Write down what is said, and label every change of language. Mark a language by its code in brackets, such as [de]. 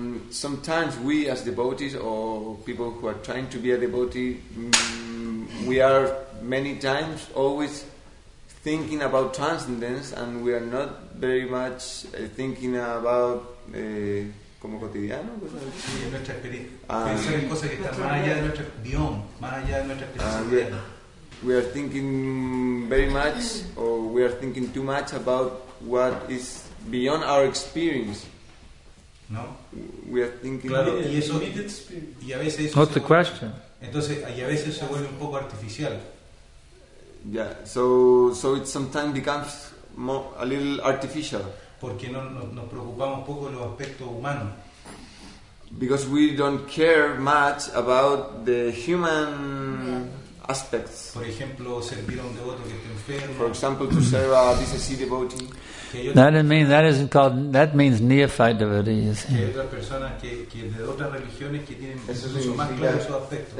[en] Sometimes we as devotees or people who are trying to be a devotee, we are many times always thinking about transcendence and we are not very much thinking about [es] como cotidiano, pues, sí, nuestra experiencia. Pensar en cosas que están más allá de nuestra visión, más allá de nuestra experiencia. [en] We are thinking very much, or we are thinking too much about what is beyond our experience. No. We are thinking. [es] Claro. Y eso. Y a veces eso. [en] What's the question? [es] Entonces, y a veces se vuelve un poco artificial. [en] Yeah. So it sometimes becomes a little artificial. [es] Porque nos preocupamos poco de los aspectos humanos. [en] Because we don't care much about the human aspects. [es] Por ejemplo, servir a un devoto que está enfermo. [en] For example, to serve a disease devotee. That means neophyte devotees. [es] Que hay otras personas que de otras religiones que tienen incluso más claro su aspecto.